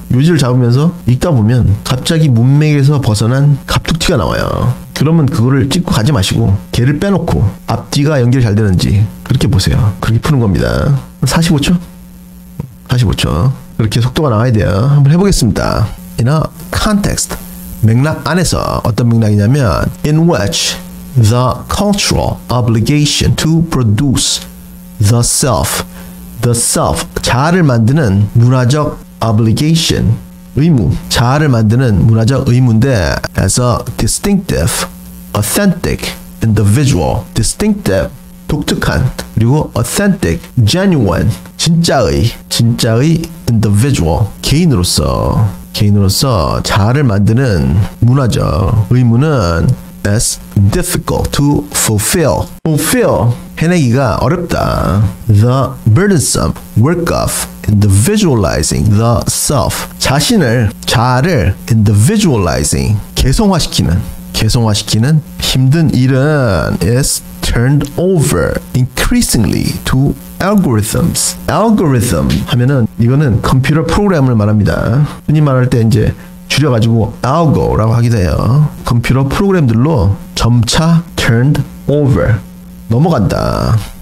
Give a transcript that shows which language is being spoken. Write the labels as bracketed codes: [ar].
[ko] 요지를 잡으면서 읽다 보면 갑자기 문맥에서 벗어난 갑툭튀가 나와요. 그러면 그거를 찍고 가지 마시고 개를 빼놓고 앞뒤가 연결 잘 되는지 그렇게 보세요. 그렇게 푸는 겁니다. 45초? 45초. 그렇게 속도가 나와야 돼요. 한번 해보겠습니다. [en] In a context. [ko] 맥락 안에서 어떤 맥락이냐면 [en] In which the cultural obligation to produce the self, [ko] the self, 자아를 만드는 문화적 obligation, 의무, 자아를 만드는 문화적 의무인데 [en] as a distinctive, authentic, individual, [ko] distinctive, 독특한, 그리고 authentic, genuine, 진짜의, 진짜의 individual, 개인으로서 자아를 만드는 문화적 의무는 [en] as difficult to fulfill [ko] 해내기가 어렵다. [en] The burdensome work of individualizing the self 자아를 individualizing [ko] 개성화시키는 힘든 일은 [en] is turned over increasingly to algorithms. [ko] Algorithm 하면은 이거는 컴퓨터 프로그램을 말합니다. 흔히 말할 때 이제 줄여가지고 algo라고 하게 돼요. 컴퓨터 프로그램들로 점차 turned over 넘어간다.